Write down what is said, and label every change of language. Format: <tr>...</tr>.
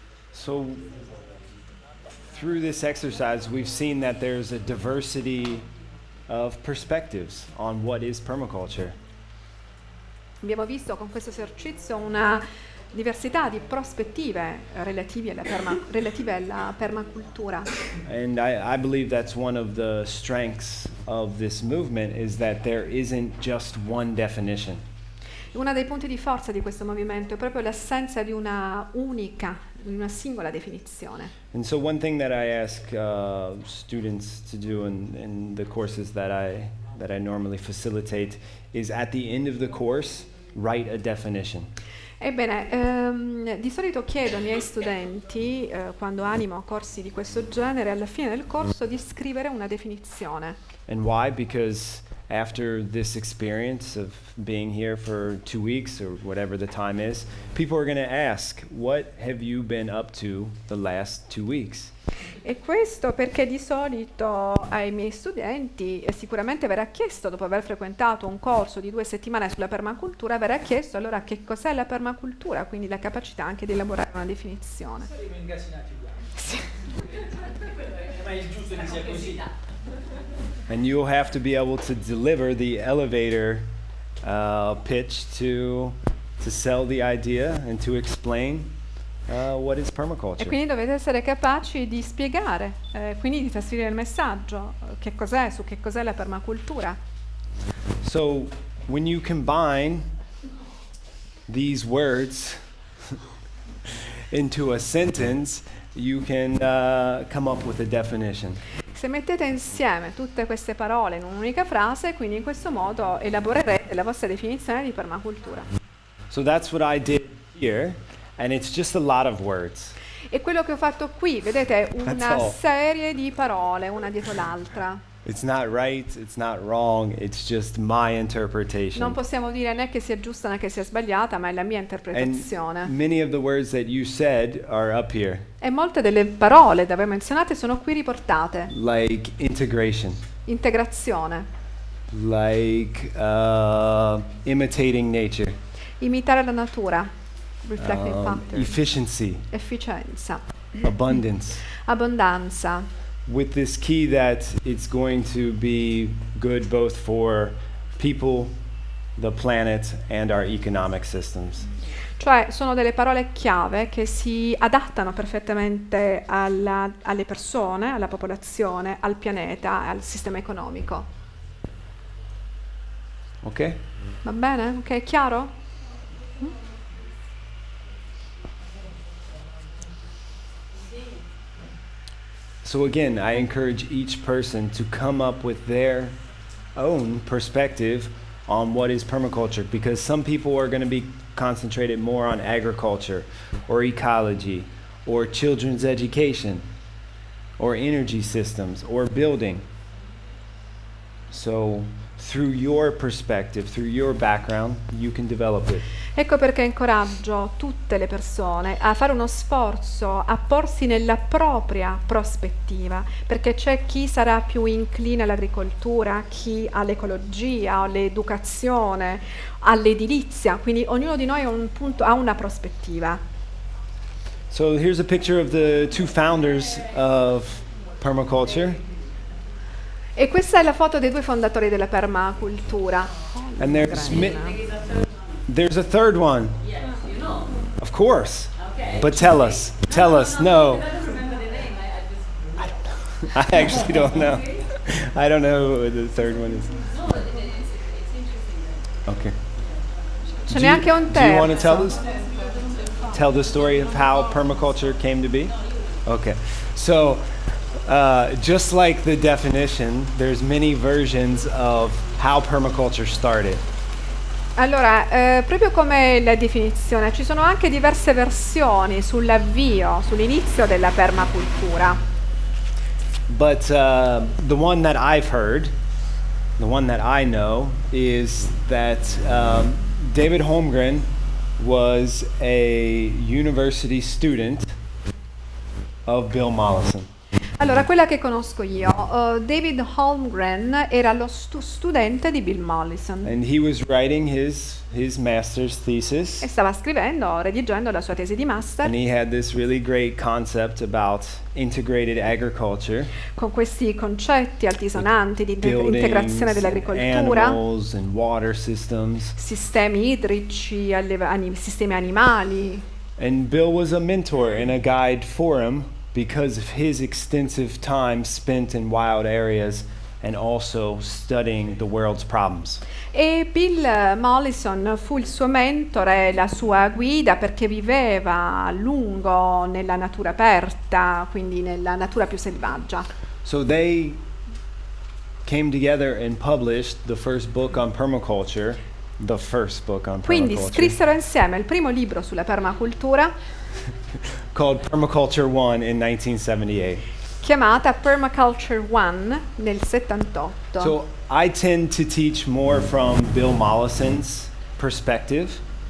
<en>So through this exercise we've seen that there's a diversity of perspectives on what is permaculture.</en> <it>Abbiamo visto con questo esercizio una diversità di prospettive relative alla permacultura.</it> <en>And I believe that's one of the strengths of this movement is that there isn't just one definition.</en> <it>Uno dei punti di forza di questo movimento è proprio l'assenza di una unica, di una singola definizione.</it> <en>And so one thing that I ask students to do in the courses that I normally facilitate is at the end of the course write a definition.</en> <it>Ebbene, di solito chiedo ai miei studenti, quando animo corsi di questo genere, alla fine del corso di scrivere una definizione.</it> <en>And why? Because after this experience of being here for 2 weeks or whatever the time is, people are going to ask, what have you been up to the last 2 weeks?</en> <it>E questo perché di solito ai miei studenti sicuramente verrà chiesto, dopo aver frequentato un corso di 2 settimane sulla permacultura, verrà chiesto allora che cos'è la permacultura, quindi la capacità anche di elaborare una definizione. Ma è giusto che sia così.</it> <en>And you have to be able to deliver the elevator pitch to sell the idea and to explain what is permaculture.</en> <it>E quindi dovete essere capaci di spiegare, quindi di trasferire il messaggio, che cos'è, su che cos'è la permacultura.</it> <en>So when you combine these words into a sentence, you can come up with a definition.</en> <it>Se mettete insieme tutte queste parole in un'unica frase, quindi in questo modo elaborerete la vostra definizione di permacultura.</it> <en>So that's what I did here, and it's just a lot of words.</en> <it>E quello che ho fatto qui, vedete, una serie di parole, una dietro l'altra.</it> <en>It's not right, it's not wrong, it's just my interpretation.</en> <it>Non possiamo dire né che sia giusta né che sia sbagliata, ma è la mia interpretazione.</it> <en>And many of the words that you said are up here.</en> <it>E molte delle parole da voi menzionate sono qui riportate.</it> <en>Like integration.</en> <it>Integrazione.</it> <en>Like imitating nature.</en> <it>Imitare la natura.</it> <en>Reflecting factor. Efficiency.</en> <it>Efficienza.</it> <en>Abundance.</en> <it>Abbondanza.</it> <en>With this key that it's going to be good both for people, the planet, and our economic systems.</en> <it>Cioè, sono delle parole chiave che si adattano perfettamente alle persone, alla popolazione, al pianeta, al sistema economico.</it> <en>Ok?</en> <it>Va bene? Ok, è chiaro?</it> <en>So again, I encourage each person to come up with their own perspective on what is permaculture, because some people are going to be concentrated more on agriculture or ecology or children's education or energy systems or building. So through your perspective, through your background, you can develop it.</en> <it>Ecco perché incoraggio tutte le persone a fare uno sforzo, a porsi nella propria prospettiva, perché c'è chi sarà più incline all'agricoltura, chi all'ecologia, all'educazione, all'edilizia, quindi ognuno di noi ha una prospettiva.</it> <en>So here's a picture of the two founders of permaculture.</en> <it>E questa è la foto dei due fondatori della permacultura.</it> <en>And there's a third one. Yes, you know. Of course. Okay. But tell us. Tell us. No. I don't know. I actually don't know. I don't know who the third one is. No, it's interesting. Okay. Do you want to tell us? Tell the story of how permaculture came to be? Okay. So, just like the definition, there's many versions of how permaculture started.</en> <it>Allora, proprio come la definizione, ci sono anche diverse versioni sull'avvio, sull'inizio della permacultura.</it> <en>But the one that I've heard, the one that I know, is that David Holmgren was a university student of Bill Mollison.</en> <it>Allora, quella che conosco io, David Holmgren era lo studente di Bill Mollison.</it> <en>And he was writing his master's thesis.</en> <it>E stava scrivendo, redigendo la sua tesi di master.</it> <en>And he had this really great concept about integrated agriculture.</en> <it>Con questi concetti altisonanti di integrazione dell'agricoltura.</it> <en>Buildings, animals and water systems.</en> <it>Sistemi idrici, sistemi animali.</it> <en>And Bill was a mentor and a guide for him, because of his extensive time spent in wild areas and also studying the world's problems.</en> <it>E Bill Mollison fu il suo mentore, la sua guida, perché viveva a lungo nella natura aperta, quindi nella natura più selvaggia.</it> <en>So they came together and published the first book on permaculture. the first book on</en> <it>quindi scrissero insieme il primo libro sulla permacultura</it> <en>called Permaculture One in 1978.</en> <it>Chiamata Permaculture One nel 78.</it> <en>So I tend to teach more from Bill Mollison's perspective.</en>